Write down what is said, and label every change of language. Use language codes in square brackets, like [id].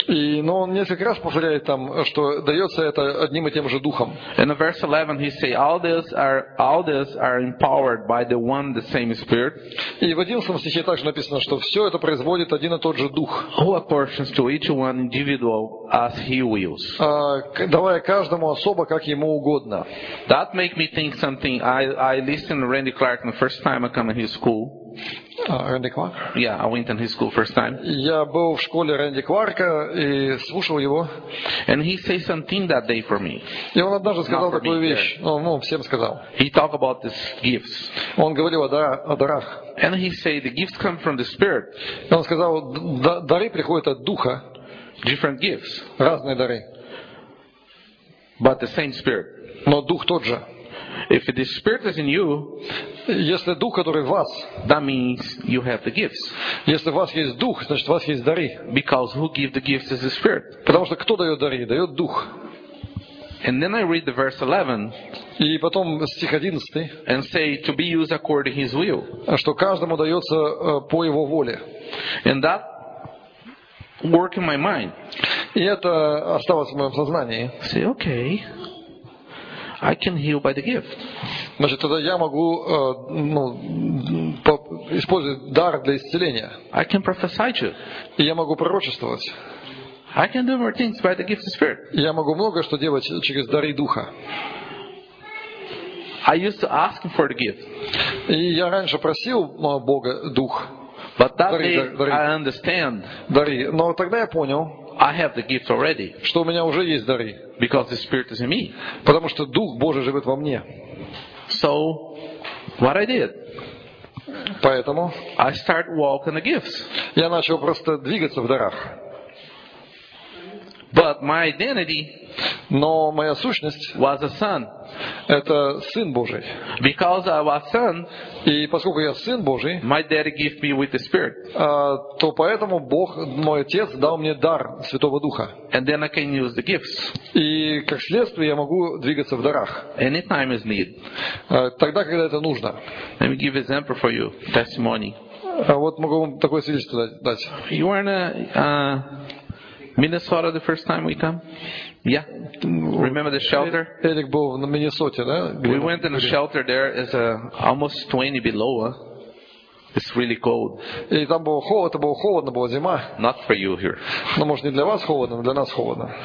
[ru] И, но он несколько раз повторяет там, что дается это одним и тем же Духом. [en] In the verse 11 he say all these are empowered by the one the same Spirit. [ru] И в 11 стихе также написано, что все это производит один и тот же Дух. [en] Who apportions to each one individual as he wills. [ru] Давая каждому особо, как ему угодно. [en] That make me think something. I listened to Randy Clark the first time I come in his school. Randy Clark? Yeah, I went in his school first time. [ru] Я был в школе Рэнди Кларка и слушал его. [en] And he say something that day for me. [ru] И он однажды сказал такую вещь. Ну, всем сказал. [en] He talk about this gifts. [ru] Он говорил о дарах. [en] And he say the gifts come from the Spirit. [ru] И он сказал, дары приходят от Духа. [en] Different gifts. [ru] Разные дары. [en] But the same Spirit. [ru] Но Дух тот же. [en] If the Spirit is in you, [ru] если Дух, который в вас, [en] that means you have the gifts. [ru] Если у вас есть Дух, значит у вас есть дары. [en] Because who give the gifts is the Spirit. [ru] Потому что кто дает дары? Дает Дух. [en] And then I read the verse 11. [ru] И потом стих 11. [en] And say to be used according to His will. [ru] Что каждому дается по Его воле. [en] And that work in my mind. [ru] И это осталось в моем сознании. [en] Say okay. I can heal by the gift. [ru] Значит, тогда я могу, ну, использовать дар для исцеления. [en] I can prophesy you. [ru] И я могу пророчествовать. [en] I can do more things by the gift of spirit. [ru] Я могу много что делать через дары Духа. [en] I used to ask for the gift. [ru] И я раньше просил Бога Дух. [en] But that day I understand. [ru] Дары. Но тогда я понял. [en] I have the gift already. [ru] Что у меня уже есть дары. [en] Because the Spirit is in me. [ru] Потому что Дух Божий живет во мне. [en] So, what I did? [ru] Поэтому [en] I start walking the gifts. [ru] Я начал просто двигаться в дарах. [en] But my identity [ru] Но моя сущность [en] was a son. [ru] Это сын Божий. [en] Because I was son, [ru] и поскольку я сын Божий, [en] my daddy gave me with the Spirit. [ru] То поэтому Бог, мой отец, дал мне дар Святого Духа. [en] And then I can use the gifts. [ru] И как следствие я могу двигаться в дарах. [en] Anytime is need. [ru] Тогда, когда это нужно. [en] Let me give an example for you, testimony. [ru] Вот могу вам такое свидетельство дать. [en] You are in a, Minnesota the first time we come? Yeah. Remember the shelter? [ru] Эрик был в Миннесоте, да? [en] We went in a shelter there. It's almost 20 below. It's really cold. [ru] И там было холодно, это было холодно, была зима. [en] Not for you here. [ru] Но, может, не для вас холодно, но для нас холодно.